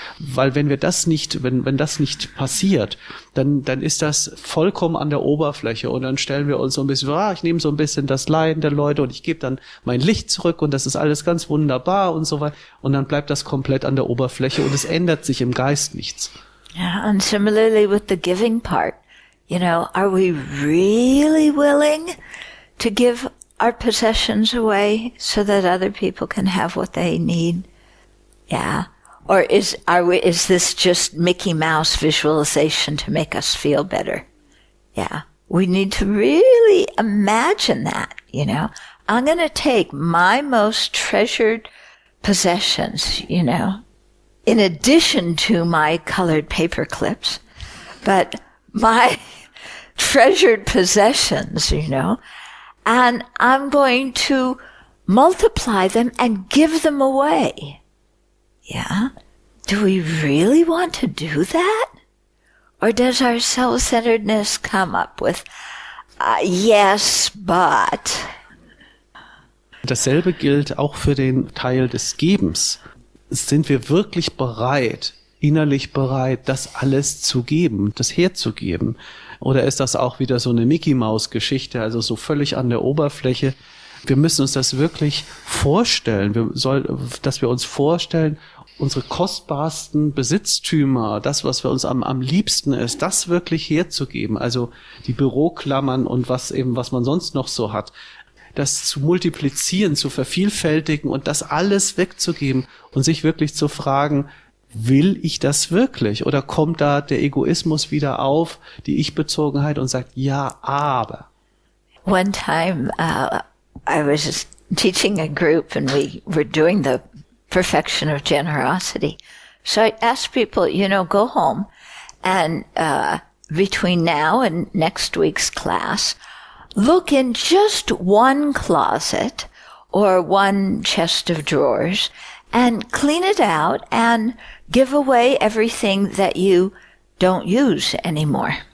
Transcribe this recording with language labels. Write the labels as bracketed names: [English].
[German] Weil wenn das nicht passiert, dann ist das vollkommen an der Oberfläche. Und dann stellen wir uns so ein bisschen, ich nehme so ein bisschen das Leiden der Leute und ich gebe dann mein Licht zurück und das ist alles ganz wunderbar und so weiter. Und dann bleibt das komplett an der Oberfläche und es ändert sich im Geist nichts. [English] Yeah, and similarly with the giving part, you know, are we really willing to give our possessions away so that other people can have what they need? Yeah. Or is this just Mickey Mouse visualization to make us feel better? Yeah. We need to really imagine that, you know. I'm going to take my most treasured possessions, you know, in addition to my colored paper clips, but my treasured possessions, you know, and I'm going to multiply them and give them away. Yeah? Do we really want to do that? Or does our self-centeredness come up with, yes, but? [German] Dasselbe gilt auch für den Teil des Gebens. Sind wir wirklich bereit, innerlich bereit, das alles zu geben, das herzugeben? Oder ist das auch wieder so eine Mickey-Maus-Geschichte, also so völlig an der Oberfläche? Wir müssen uns das wirklich vorstellen, dass wir uns vorstellen, unsere kostbarsten Besitztümer, das, was wir uns am liebsten ist, das wirklich herzugeben, also die Büroklammern und was man sonst noch so hat, das zu multiplizieren, zu vervielfältigen und das alles wegzugeben und sich wirklich zu fragen, will ich das wirklich? Oder kommt da der Egoismus wieder auf, die Ich-Bezogenheit und sagt, ja, aber. [English] One time I was teaching a group and we were doing the perfection of generosity. So I asked people, you know, go home and between now and next week's class, look in just one closet or one chest of drawers and clean it out and give away everything that you don't use anymore.